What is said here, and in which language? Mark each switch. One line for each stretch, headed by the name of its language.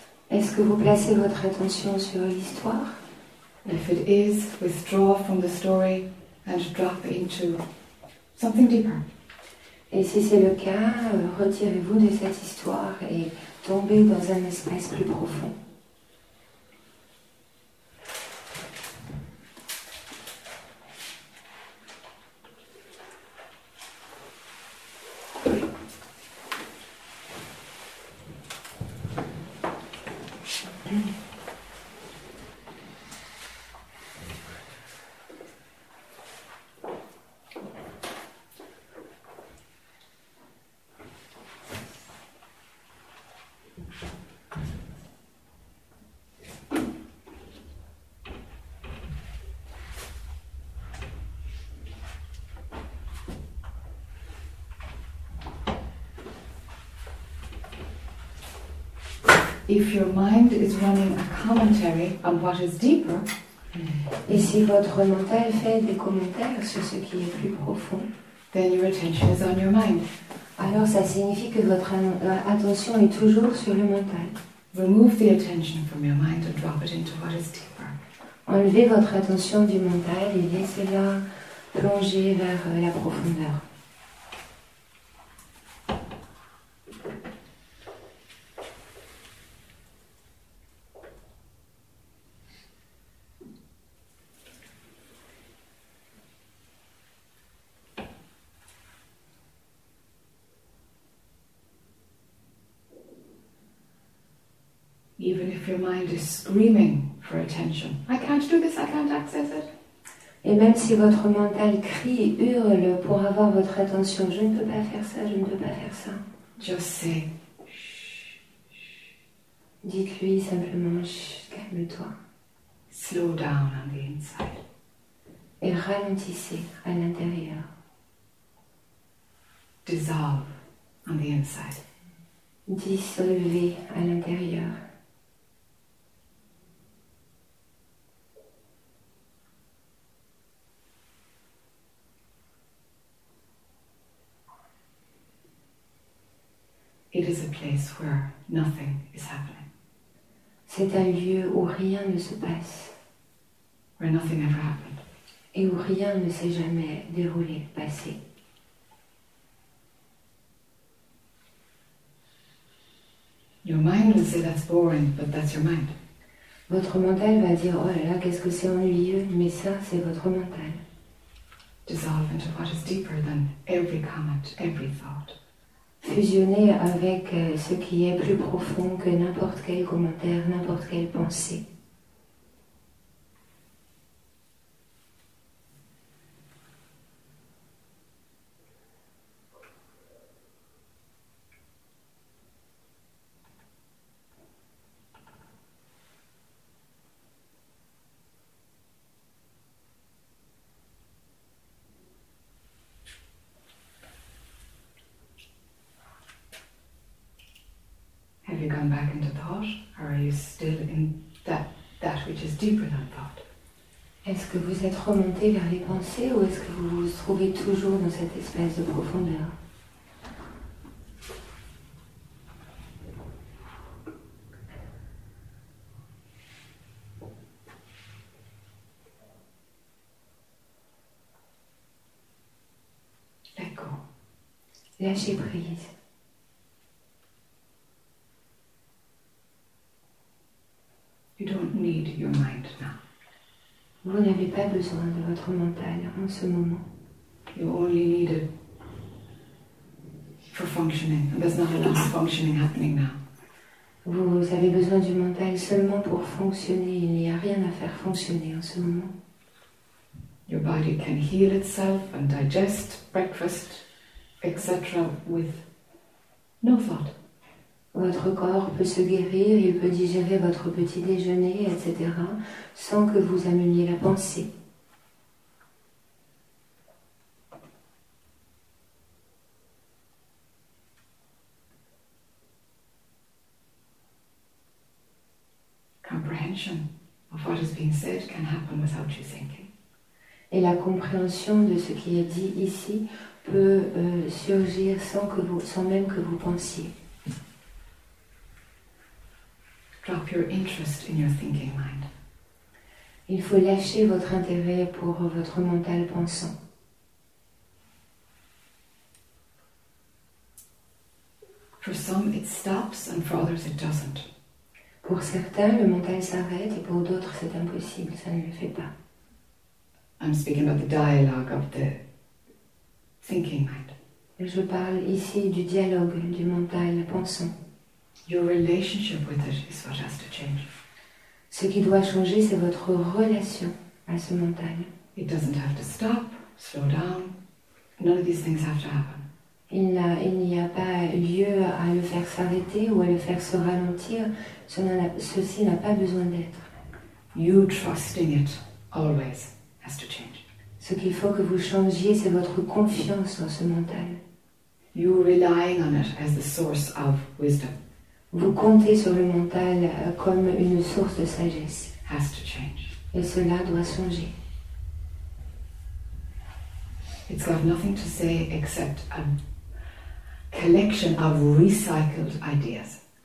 French: Est-ce que vous placez votre attention sur l'histoire?
English: If it is, withdraw from the story and drop into something deeper.
French: Et si c'est le cas, retirez-vous de cette histoire et tombez dans un espace plus profond.
English: If your mind is running a commentary on what is deeper,
French: et si votre mental fait des commentaires sur ce qui est plus profond,
English: then your attention is on your mind.
French: Alors ça signifie que votre attention est toujours sur le mental.
English: Remove the attention from your mind and drop it into what is deeper.
French: Enlevez votre attention du mental et laissez-la plonger vers la profondeur.
English: Even if your mind is screaming for attention, I can't do this, I can't access it.
French: Et même si votre mental crie et hurle pour avoir votre attention, je ne peux pas faire ça, je ne peux pas faire ça.
English: Just say, shh.
French: Dites-lui simplement, shh, calme-toi.
English: Slow down on the inside.
French: Et ralentissez à l'intérieur.
English: Dissolve on the inside.
French: Dissolvez à l'intérieur.
English: It is a place where nothing is happening.
French: C'est un lieu où rien ne se passe.
English: Where nothing ever happened.
French: Et où rien ne s'est jamais déroulé, passé.
English: Your mind will say that's boring, but that's your mind.
French: Votre mental va dire, oh là là, qu'est-ce que c'est ennuyeux, mais ça, c'est votre mental.
English: Dissolve into what is deeper than every comment, every thought.
French: Fusionner avec ce qui est plus profond que n'importe quel commentaire, n'importe quelle pensée.
English: Have you gone back into thought, or are you still in that which is deeper than thought?
French: Est-ce que vous êtes remonté vers les pensées, ou est-ce que vous vous trouvez toujours dans cette espèce de profondeur?
English: Let go.
French: Lâchez prise.
English: You don't need your mind now.
French: Vous n'avez pas besoin de votre mental en ce moment.
English: You only need it for functioning. And there's not a lot of functioning happening now.
French: Vous avez besoin du mental seulement pour fonctionner. Il n'y a rien à faire fonctionner en ce moment.
English: Your body can heal itself and digest breakfast, etc. with no thought.
French: Votre corps peut se guérir, il peut digérer votre petit déjeuner, etc., sans que vous ameniez la pensée.
English: comprehension of what is being said can happen without you thinking.
French: Et la compréhension de ce qui est dit ici peut surgir sans même que vous pensiez.
English: Drop your interest in your thinking mind.
French: Il faut lâcher votre intérêt pour votre mental pensant.
English: For some, it stops, and for others, it doesn't.
French: Pour certains, le mental s'arrête, et pour d'autres, c'est impossible, ça ne le fait pas.
English: I'm speaking about the dialogue of the thinking mind.
French: Je parle ici du dialogue du mental pensant.
English: Your relationship with it is what has to change.
French: Ce qui doit changer, c'est votre relation à ce mental.
English: It doesn't have to stop, slow down. None of these things have to happen.
French: Il n'y a pas lieu à le faire s'arrêter ou à le faire se ralentir. Ceci n'a pas besoin d'être.
English: You trusting it always has to change.
French: Ce qu'il faut que vous changiez, c'est votre confiance en ce mental.
English: You relying on it as the source of wisdom.
French: Vous comptez sur le mental comme une source de sagesse.
English: Has to change.
French: Et cela doit changer.
English: It's got nothing to say except a collection of recycled ideas.